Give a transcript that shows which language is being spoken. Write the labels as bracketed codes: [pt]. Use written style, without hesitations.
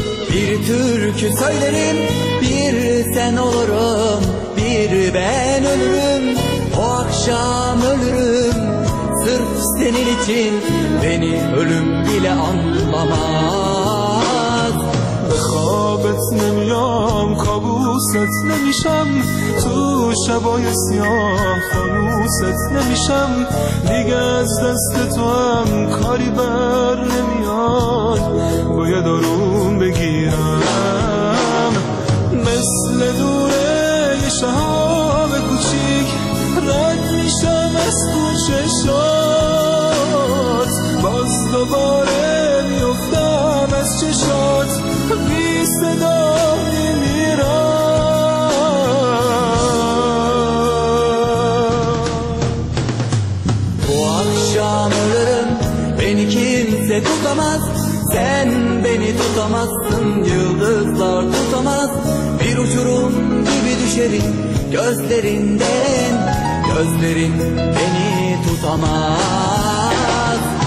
[tr] Bir türkü söylerim, bir sen olurum, bir ben ölürüm. O akşam ölürüm, sırf senin için beni ölüm bile anlamaz. [fa] خواب نمیام کابوست نمیشم تو شبای سیاه خاموست نمیشم دیگه از دست تو هم کاری بر نمیاد باید آروم بگیرم مثل دوره شهاب کوچیک رد میشم از کوچه شاد باز دوباره میفتم از چشات بی صدا نمیرم [tr] او اخشام ölürüm beni kimse tutamaz sen beni tutamazsın yıldızlar tutamaz bir uçurum gibi düşerim gözlerinden gözlerin beni tutamaz